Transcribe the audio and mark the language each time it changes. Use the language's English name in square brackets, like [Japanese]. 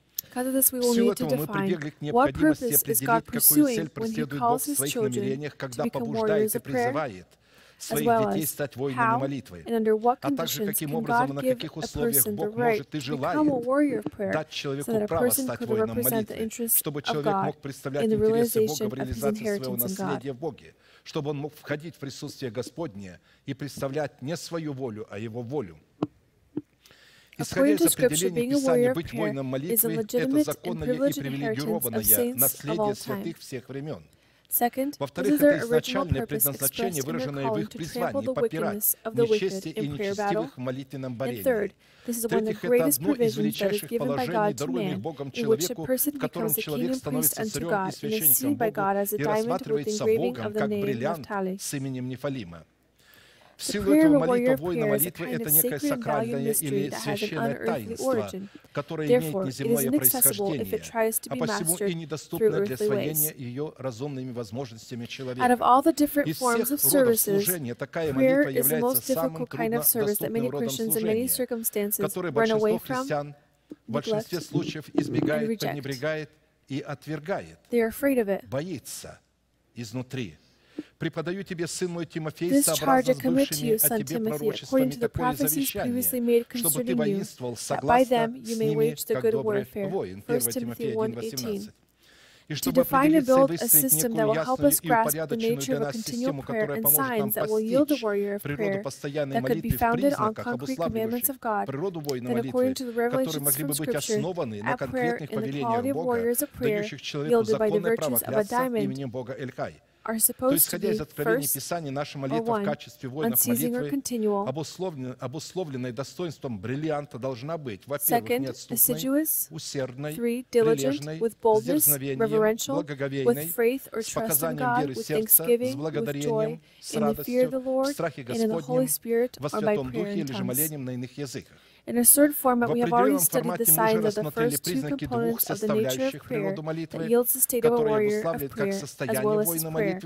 [English] Because of this, we will need to define what purpose is God pursuing when He calls His children to become warriors of prayer, as well as how and under what conditions can God give a person the right to become a warrior of prayer so that a person could represent the interests of God in the realization of His inheritance in God, [Russian] чтобы он мог входить в присутствие Господне и представлять не свою волю, а Его волю. [English] According to Scripture, being a warrior of prayer is a legitimate and privileged inheritance of saints of all time. Second, this is their original purpose expressed in their calling to trample the wickedness of the wicked in prayer battle. And third, this is one of the greatest provisions that is given by God to man, in which a person becomes a king and priest unto God and is seen by God as a diamond with engraving of the name Naphtali. [Russian] В силу этого молитва воинной молитвы – это некое сакральное или священное таинство, которое имеет неземное происхождение, а посему и недоступно для освоения ее разумными возможностями человека. Из всех родов служения такая молитва является самым труднодоступным родом служения, который большинство христиан в большинстве случаев избегает, пренебрегает и отвергает, боится изнутри. Преподаю тебе, сын мой Тимофей, сообразно с бывшими о тебе пророчествами такое завещание, чтобы ты воинствовал согласно с ними, как добрый воин. 1 Тимофея 1:18. [English] To define and build a system that will help us grasp the nature of a continual prayer and signs that will yield the warrior of prayer that could be founded on concrete commandments of God, then according to the revelations from Scripture, at prayer and the quality of warriors of prayer yielded by the virtues of a diamond, are supposed to be first or one, unceasing or continual. [Russian] Обусловленной достоинством бриллианта должна быть, во-первых, [English] second, assiduous, [Russian] усердной, [English] three, diligent, with boldness, reverential, with faith or trust in God, with thanksgiving, with joy, [Russian] радостью, [English] in the fear of the Lord, and in the Holy Spirit, or by prayer in tongues. In a certain format, we have already studied the signs of the first two components of the nature of prayer that yields the state of a warrior of prayer, as well as his prayer.